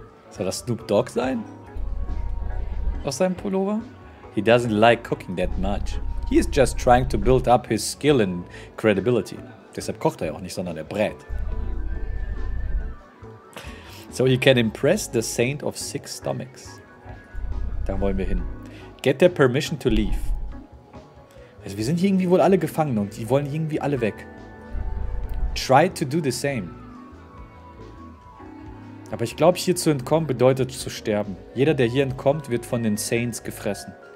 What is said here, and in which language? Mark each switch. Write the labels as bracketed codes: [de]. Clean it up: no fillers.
[de] Soll das Snoop Dogg sein? Aus seinem Pullover? [en] He doesn't like cooking that much. He is just trying to build up his skill and credibility. [de] Deshalb kocht er ja auch nicht, sondern er brät. [en] So he can impress the saint of six stomachs. [de] Da wollen wir hin. [en] Get their permission to leave. [de] Also wir sind hier irgendwie wohl alle gefangen und die wollen irgendwie alle weg. [en] Try to do the same. [de] Aber ich glaube, hier zu entkommen bedeutet zu sterben. Jeder, der hier entkommt, wird von den Saints gefressen.